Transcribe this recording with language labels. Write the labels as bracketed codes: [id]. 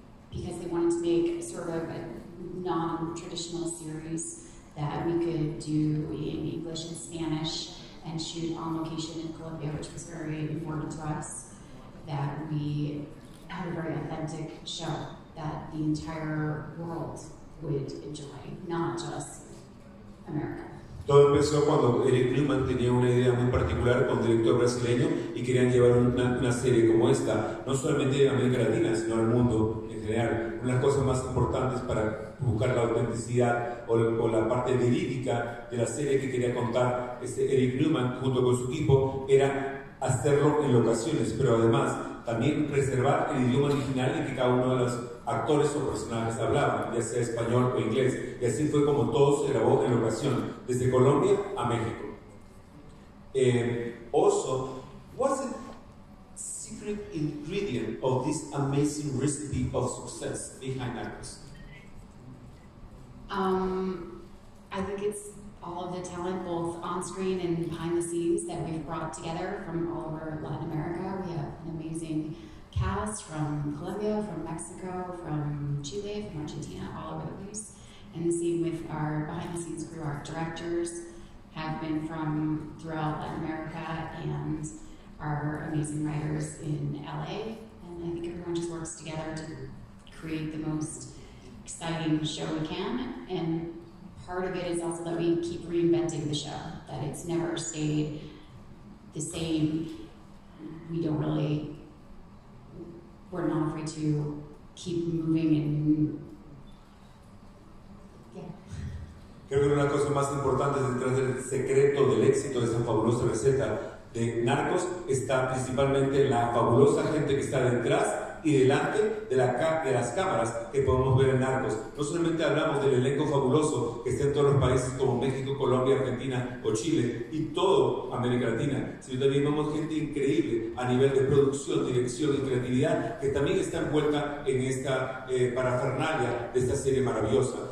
[en] because they wanted to make sort of a non-traditional series that we could do in English and Spanish and shoot on location in Colombia, which was very important to us, that we had a very authentic show that the entire world would enjoy, not just America. [es] Todo empezó cuando Eric Newman tenía una idea muy particular con un director brasileño y querían llevar una serie como esta, no solamente en América Latina, sino al mundo en general. Una de las cosas más importantes para buscar la autenticidad o la parte verídica de la serie que quería contar este Eric Newman junto con su equipo era hacerlo en locaciones, pero además también preservar el idioma original en que cada uno de los actores o personajes hablaban, ya sea español o inglés. Y así fue como todo se grabó en locación, desde Colombia a México. [en] Also, what's the secret ingredient of this amazing recipe of success behind Narcos? I think it's all of the talent, both on screen and behind the scenes, that we've brought together from all over Latin America. We have an amazing cast from Colombia, from Mexico, from Chile, from Argentina, all over the place. And the same with our behind the scenes crew. Our directors have been from throughout Latin America, and our amazing writers in LA. And I think everyone just works together to create the most exciting show we can. And part of it is also that we keep reinventing the show, that it's never stayed the same. We don't really, we're not afraid to keep moving and, [es] Creo que una de las cosas más importantes detrás del secreto del éxito de esa fabulosa receta de Narcos está principalmente en la fabulosa gente que está detrás y delante de, de las cámaras que podemos ver en Narcos. No solamente hablamos del elenco fabuloso que está en todos los países como México, Colombia, Argentina o Chile y toda América Latina, sino también vemos gente increíble a nivel de producción, dirección y creatividad que también está envuelta en esta parafernalia de esta serie maravillosa.